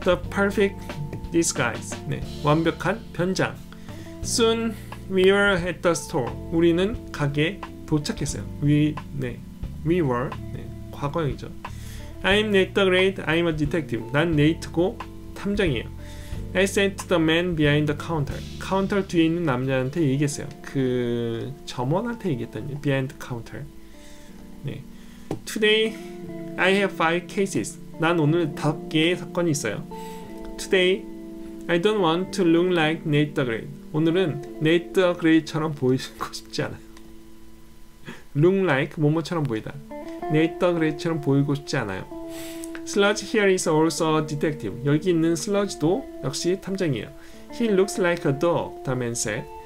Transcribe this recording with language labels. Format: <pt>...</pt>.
<en>The perfect disguise.</en> <ko>네, 완벽한 변장.</ko> <en>Soon we were at the store.</en> <ko>우리는 가게에 도착했어요.</ko> <en>We were.</en> <ko>네, 과거형이죠.</ko> <en>I'm Nate the Great. I'm a detective.</en> <ko>난 네이트고 탐정이에요.</ko> <en>I said to the man behind the counter.</en> <ko>카운터 뒤에 있는 남자한테 얘기했어요. 그 점원한테 얘기했더니</ko> <en>behind the counter.</en> <ko>네.</ko> <en>Today I have 5 cases.</en> <ko>난 오늘 5개의 사건이 있어요.</ko> <en>Today I don't want to look like Nate the Great.</en> <ko>오늘은 Nate the Great처럼 보이고 싶지 않아요. Look like 뭐뭐처럼 보이다. 네이터 그레이처럼 보이고 싶지 않아요.</ko> <en>Sludge here is also a detective.</en> <ko>여기 있는 슬러지도 역시 탐정이에요.</ko> <en>He looks like a dog, the man said.</en>